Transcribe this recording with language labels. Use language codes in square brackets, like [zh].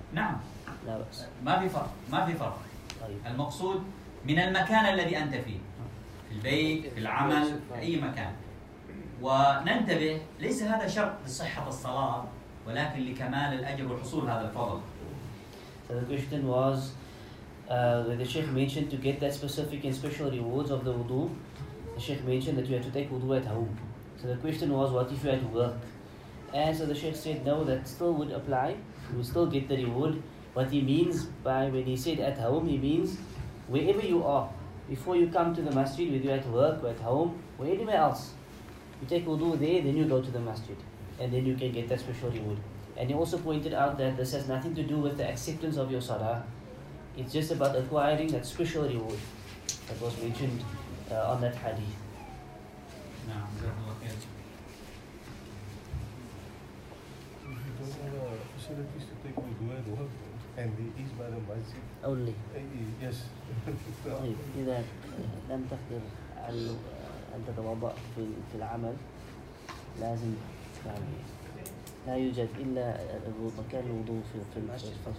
[ar] نعم لا بأس ما في فرق طيب. المقصود من المكان الذي أنت فيه في البيت في العمل في أي مكان وننتبه ليس هذا شرط لصحة الصلاة ولكن لكمال الأجر وحصول هذا الفضل. [en] So the question was where the Sheikh mentioned to get that specific and special rewards of the wudu, the Sheikh mentioned that you have to take wudu at home. So the question was, what if you had to work? And so the Sheikh said, no, that still would apply. You would still get the reward. What he means by when he said at home, he means wherever you are, before you come to the masjid, whether you're at work or at home or anywhere else, you take wudu there, then you go to the masjid. And then you can get that special reward. And he also pointed out that this has nothing to do with the acceptance of your salah. It's just about acquiring that special reward that was mentioned on that hadith. No, I'm not looking at it. The facility is to take with the word, and it is by the masjid. Only? Yes. If you don't have to take with the word, [ar] لا يوجد إلا مكان الوضوء في المسجد.